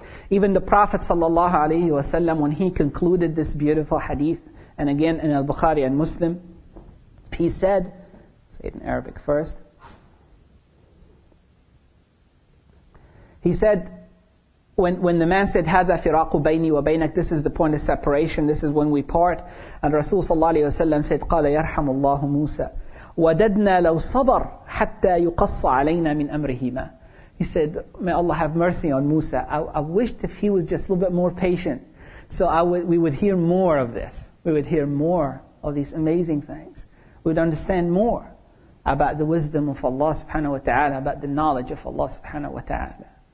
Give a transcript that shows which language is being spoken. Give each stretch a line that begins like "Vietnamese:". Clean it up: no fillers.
English: Even the Prophet ﷺ, when he concluded this beautiful hadith, and again in Al-Bukhari and Muslim, he said, say it in Arabic first, he said, When the man said,
Arabic: هَذَا فِرَاقُ بَيْنِي وَبَيْنَكَ,
English: this is the point of separation, this is when we part. And Rasul sallallahu alayhi wa sallam said,
Arabic: قَالَ يَرْحَمُ اللَّهُ مُوسَى وَدَدْنَا لَوْ صَبَرْ حَتَّى يُقَصَّ عَلَيْنَا مِنْ أَمْرِهِمَا.
English: He said, may Allah have mercy on Musa. I wished if he was just a little bit more patient, so we would hear more of this. We would hear more of these amazing things. We would understand more about the wisdom of Allah subhanahu wa ta'ala, about the knowledge of Allah subhanahu wa ta'ala.